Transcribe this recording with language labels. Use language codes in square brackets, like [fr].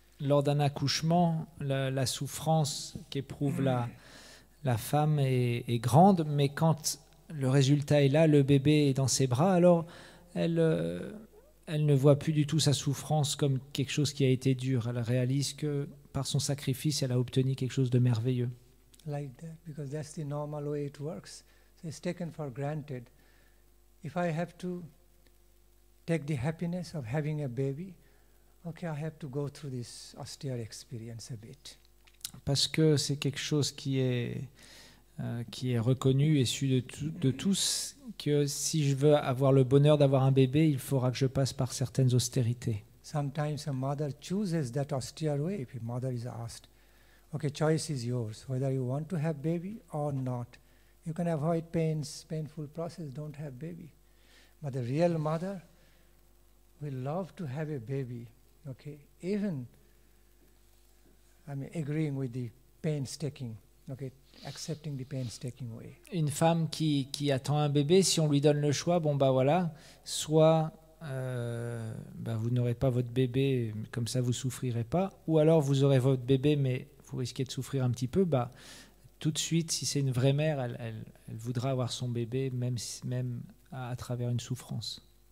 [fr] Lors d'un accouchement, la souffrance qu'éprouve la femme est grande, mais quand le résultat est là, le bébé est dans ses bras, alors elle ne voit plus du tout sa souffrance comme quelque chose qui a été dur. Elle réalise que par son sacrifice, elle a obtenu quelque chose de merveilleux. [en] Like that, because that's the normal way it works. So it's taken for granted. If I have to take the happiness of having a baby, okay, I have to go through this austere experience a bit. [fr] Parce que c'est quelque chose qui est reconnu et su de tous, que si je veux avoir le bonheur d'avoir un bébé, il faudra que je passe par certaines austérités. [en] Sometimes a mother chooses that austere way. If a mother is asked, okay, choice is yours, whether you want to have baby or not. You can avoid painful process, don't have baby. But the real mother will love to have a baby. Okay, even agreeing with the painstaking, okay, accepting the painstaking way. [fr] Une femme qui attend un bébé, si on lui donne le choix, bon bah voilà, soit vous n'aurez pas votre bébé, comme ça vous souffrirez pas, ou alors vous aurez votre bébé mais vous risquez de souffrir un petit peu, bah tout de suite, si c'est une vraie mère, elle voudra avoir son bébé même à travers une souffrance.